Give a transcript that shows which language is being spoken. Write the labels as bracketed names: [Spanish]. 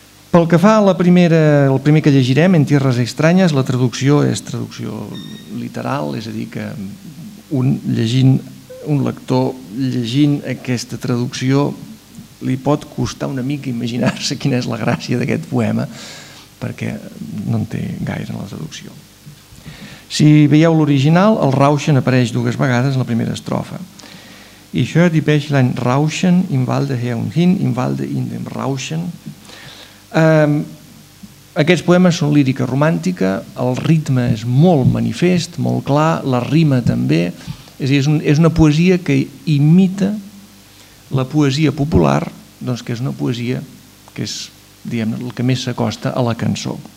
[Catalan] Pel que fa a el primer que llegirem, En tierras extrañas, la traducció és traducció literal, és a dir, que un lector llegint aquesta traducció li pot costar una mica imaginar-se quina és la gràcia d'aquest poema, perquè no en té gaire en la traducció. Si veieu l'original, el Rauschen apareix dues vegades en la primera estrofa. [German] Ich höre die Bächlein rauschen im Walde her und hin, im Walde in dem Rauschen. [Catalan] Aquests poemes són lírica romàntica, el ritme és molt manifest, molt clar, la rima també, és a dir, és una poesia que imita la poesia popular, doncs, que és una poesia que és, diguem, el que més s'acosta a la cançó.